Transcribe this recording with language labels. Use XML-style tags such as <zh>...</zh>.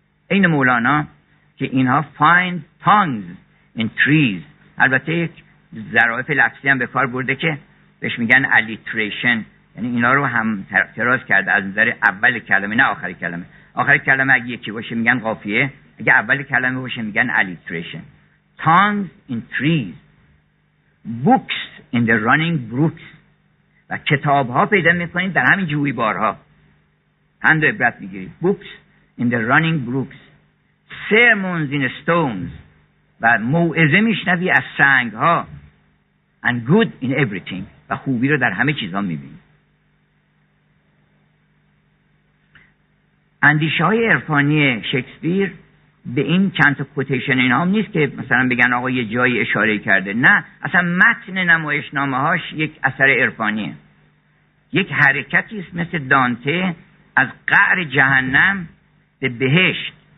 <fa>این مولانا که اینها</fa> <en>find tongues in trees،</en> <fa>البته یک ظرایف لفظی هم به کار برده که بهش میگن alliteration، یعنی اینا رو هم تراز کرده از نظر اول کلمه نه آخر کلمه. آخر کلمه اگه یکی باشه میگن قافیه، اگه اول کلمه باشه میگن alliteration.</fa> <en>tongues in trees، books in the running brooks،</en> <fa>و کتاب ها پیدا میکنید در همین جویبارها، هندو عبرت میگیرید.</fa> <en>books in the running brooks، sermons in stones،</en> <fa>و موعظه میشنوی از سنگ ها.</fa> <en>and good in everything،</en> <fa>و خوبی رو در همه چیزها میبینی. اندیشه های عرفانی شکسپیر به این چند تا کوتیشن اینا هم نیست که مثلا بگن آقا یه جایی اشاره کرده، نه، اصلا متن نمایشنامه هاش یک اثر عرفانیه، یک حرکتی است مثل دانته از قعر جهنم به بهشت.</fa>